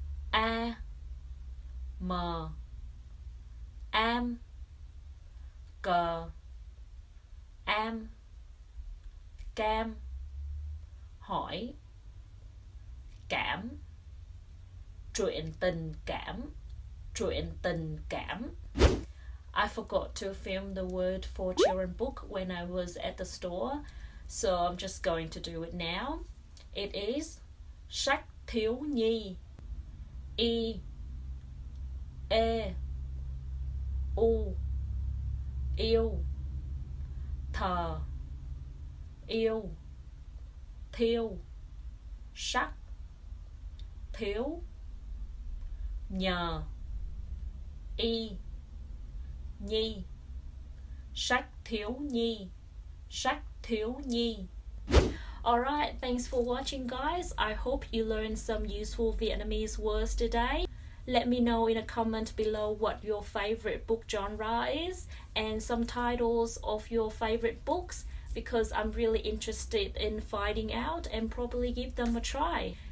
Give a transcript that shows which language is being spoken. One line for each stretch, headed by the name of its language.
Vietnamese: A, m, am, cờ, am, cam, hỏi, cảm, truyện tình cảm, truyện tình cảm.
English: I forgot to film the word for children book when I was at the store, so I'm just going to do it now. It is sách thiếu nhi.
Vietnamese: Y, ê, u, yêu, thờ, yêu, thiêu, sắc, thiếu, nhờ, y, nhi, sách thiếu nhi, sách thiếu nhi.
English: Alright, thanks for watching guys. I hope you learned some useful Vietnamese words today. Let me know in a comment below what your favorite book genre is and some titles of your favorite books, because I'm really interested in finding out and probably give them a try.